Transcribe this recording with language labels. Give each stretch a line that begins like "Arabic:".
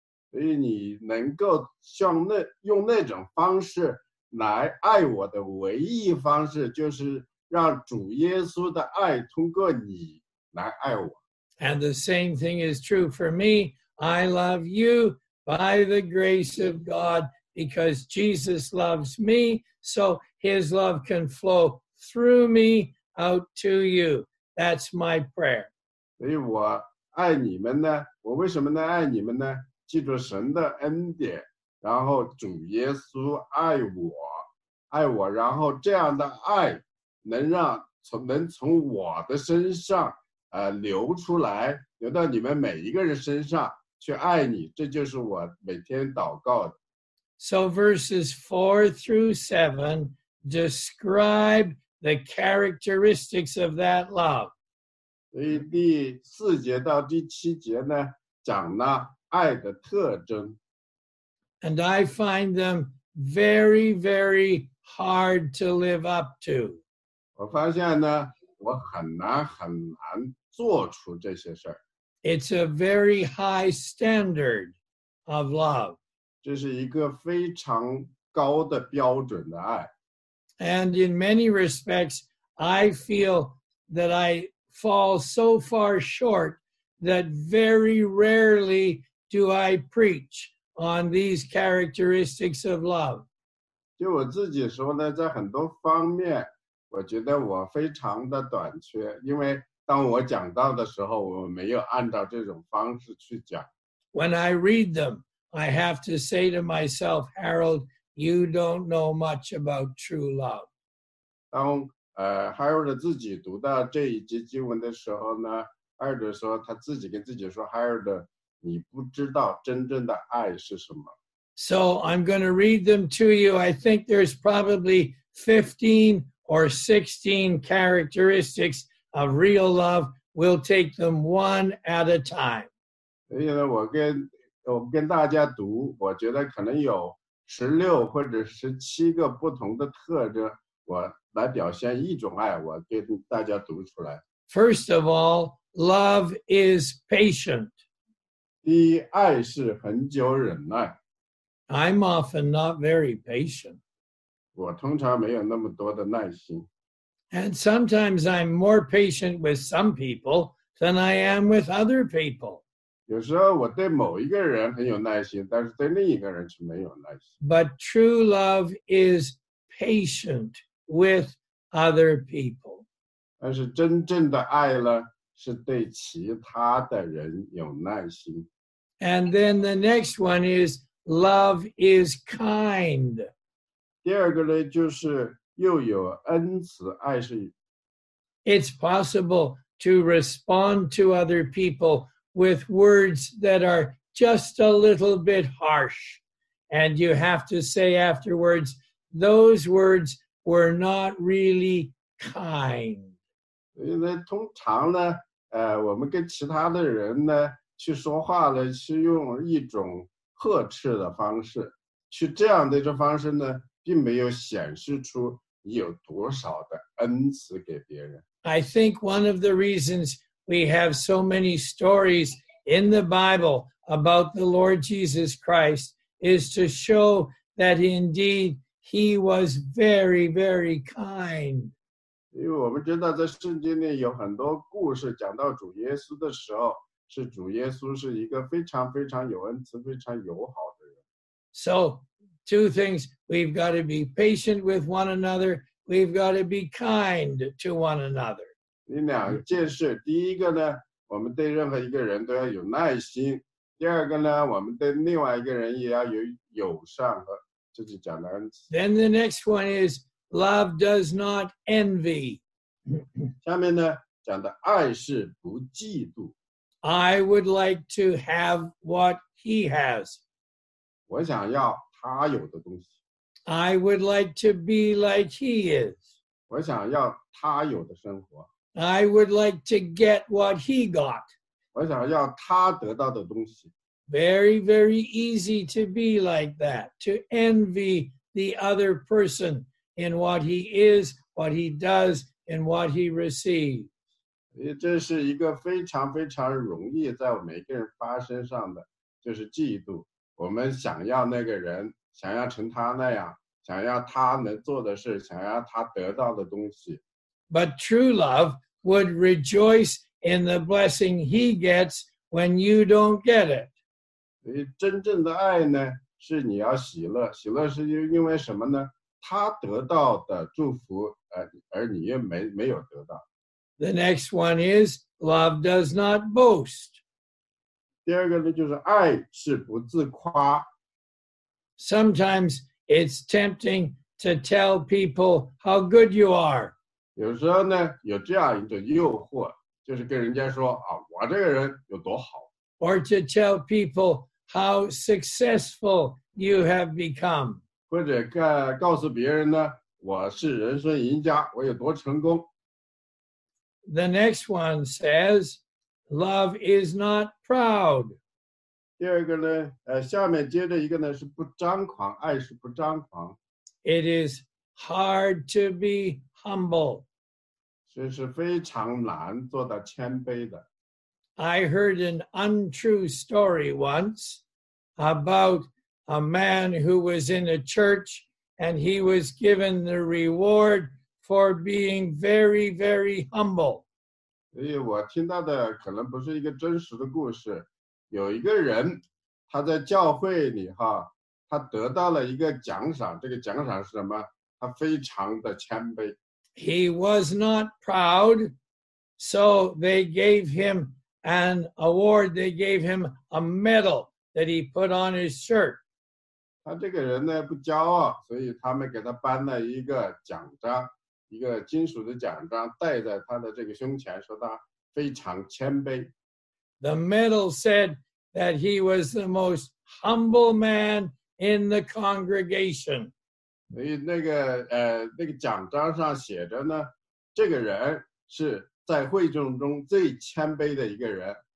Chinese: 所以你能够像那用那种方式来爱我的唯一方式，就是让主耶稣的爱通过你来爱我。
English: And the same thing is true for me. I love you by the grace of God because Jesus loves me, so His love can flow through me out to you. That's my prayer.
Chinese: 所以我爱你们呢，我为什么能爱你们呢？记住神的恩典，然后主耶稣爱我，爱我，然后这样的爱能从我的身上流出来，流到你们每一个人身上去爱你，这就是我每天祷告的。
English: So verses 4-7 describe the characteristics of that love.
Chinese: 所以第四节到第七节呢，讲了爱的特征。
English: And I find them very, very hard to live up to.
Chinese: 我发现呢，我很难很难做出这些事儿。
English: It's a very high standard of love.
Chinese: 这是一个非常高的标准的爱。
English: And in many respects, I feel that I fall so far short that very rarely. Do I preach on these characteristics of love?
Chinese: 就我自己说呢，在很多方面，我觉得我非常的短缺，因为当我讲到的时候，我没有按照这种方式去讲。
English: When I read them, I have to say to myself, Harold, you don't know much about true love.
Chinese: 当Harold 自己读到这一节经文的时候呢，Harold说他自己跟自己说 ，Harold。你不知道真正的爱是什么。
English: So I'm going to read them to you. I think there's probably 15 or 16 characteristics of real love. We'll take them one at a time.
Chinese: 所以呢，我跟大家读，我觉得可能有16或者17个不同的特征，我来表现一种爱，我跟大家读出来。
English: First of all, love is patient.
Chinese: 第一，爱是恒久忍耐。
English: I'm often not very patient.
Chinese: 我通常没有那么多的耐心。
English: And sometimes I'm more patient with some people than I am with other people.
Chinese: 有时候我对某一个人很有耐心，但是对另一个人却没有耐心。
English: But true love is patient with other people.
Chinese: 但是真正的爱呢，是对其他的人有耐心。
English: And then the next one is love is kind.
Chinese: 第二个呢，就是又有恩慈，爱是。
English: It's possible to respond to other people with words that are just a little bit harsh. And you have to say afterwards, those words were not really kind.
Chinese: 因为通常呢，我们跟其他的人呢，去说话呢，是用一种呵斥的方式，去这样的一种方式呢，并没有显示出有多少的恩慈给别人。
English: I think one of the reasons we have so many stories in the Bible about the Lord Jesus Christ is to show that indeed he was very, very kind.
Chinese: 因为我们知道在圣经里有很多故事讲到主耶稣的时候，是主耶稣是一个非常非常有恩慈、非常友好的人。
English: So, two things, we've got to be patient with one another, we've got to be kind to one another.
Chinese: 你两件事，第一个呢，我们对任何一个人都要有耐心，第二个呢，我们对另外一个人也要有友善和，这就讲的恩慈。
English: Then the next one is, love does not envy.
Chinese: 下面呢，讲的爱是不嫉妒。
English: I would like to have what he has.
Chinese: 我想要他有的东西。
English: I would like to be like he is.
Chinese: 我想要他有的生活。
English: I would like to get what he got.
Chinese: 我想要他得到的东西。
English: Very, very easy to be like that, to envy the other person in what he is, what he does, and what he receives.
Chinese: 这是一个非常非常容易在我每个人发生上的，就是嫉妒。我们想要那个人，想要成他那样，想要他能做的事，想要他得到的东西。
English: But true love would rejoice in the blessing he gets when you don't get it.
Chinese: 真正的爱呢，是你要喜乐，喜乐是因为什么呢？他得到的祝福，而你又没有得到。
English: The next one is, love does not boast.
Chinese: 第二个呢，就是爱是不自夸。
English: Sometimes it's tempting to tell people how good you are.
Chinese: 有时候呢，有这样一种诱惑，就是跟人家说啊，我这个人有多好。
English: Or to tell people how successful you have become.
Chinese: 或者告诉别人呢，我是人生赢家，我有多成功。
English: The next one says, love is not proud.
Chinese: 第二个呢，下面接着一个呢，是不张狂，爱是不张狂。
English: It is hard to be humble.
Chinese: 这是非常难做到谦卑的。
English: I heard an untrue story once about a man who was in a church and he was given the reward for being very, very humble.
Chinese: 所以我听到的可能不是一个真实的故事。有一个人，他在教会里哈，他得到了一个奖赏，这个奖赏是什么？他非常的谦卑。
English: He was not proud, so they gave him an award, they gave him a medal that he put on his shirt.
Chinese: 他这个人呢，不骄傲，所以他们给他颁了一个奖章。一个金属的奖章戴在他的这个胸前，说他非常谦卑。
English: The medal said that he was the most humble man in the congregation.
Chinese: 所以那个奖章上写着呢，这个人是在会众中最谦卑的一个人。